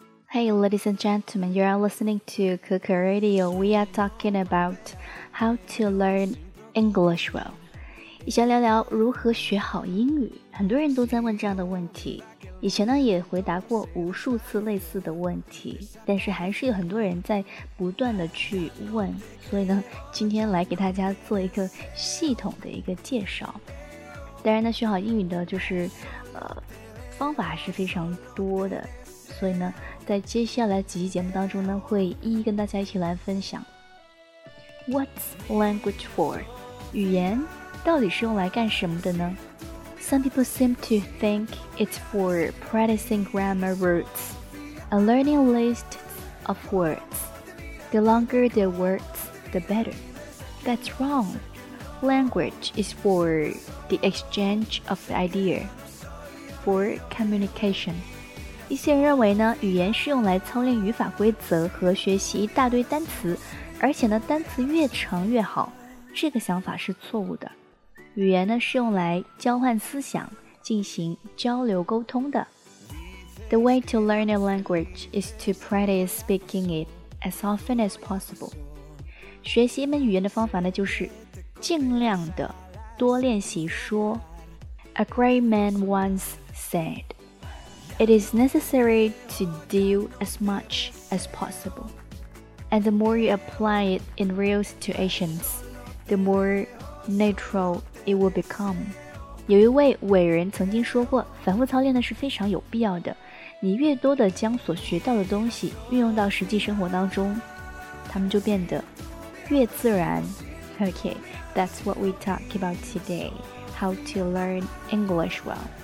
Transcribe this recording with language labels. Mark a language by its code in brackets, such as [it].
[en] Hey, ladies and gentlemen, you are listening to Cuckoo Radio. We are talking about how to learn English well. [zh] 一起聊聊如何学好英语。很多人都在问这样的问题，以前呢也回答过无数次类似的问题，但是还是有很多人在不断的去问，所以呢，今天来给大家做一个系统的一个介绍。当然呢，学好英语的就是，方法还是非常多的。所以呢，在接下来几期节目当中呢，会一一跟大家一起来分享。 [en] What's language for? [zh] 语言到底是用来干什么的呢？ [en] Some people seem to think it's for practicing grammar roots and learning a list of words. The longer the words, the better. That's wrong. Language is for the exchange of idea, for communication. [zh] 一些人认为呢，语言是用来操练语法规则和学习一大堆单词，而且呢，单词越长越好。这个想法是错误的。语言呢，是用来交换思想，进行交流沟通的。 [en] The way to learn a language is to practice speaking it as often as possible. [zh] 学习一门语言的方法呢，就是尽量的多练习说。 [en] A great man once said,It is necessary to do as much as possible. And the more you apply it in real situations, the more natural it will become. [zh] 有一位伟人曾经说过，反复操练呢是非常有必要的。你越多的将所学到的东西运用到实际生活当中，他们就变得越自然。 [en] Okay, that's what we talk about today. How to learn English well.